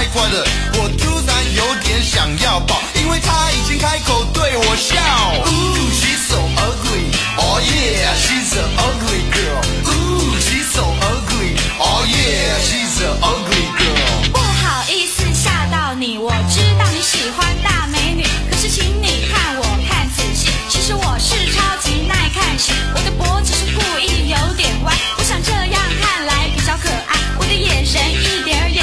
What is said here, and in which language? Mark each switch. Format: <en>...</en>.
<zh>的，我突然有点想要抱，因为他已经开口对我笑。</zh> <en>Ooh, she's so ugly, oh yeah, she's an ugly girl. Ooh, she's so ugly, oh yeah, she's an ugly girl.</en> <zh>不好意思吓到你，我知道你喜欢大美女，可是请你看我看仔细，其实我是超级耐看型，我的脖子是故意有点歪，我想这样看来比较可爱，我的眼神一点</zh>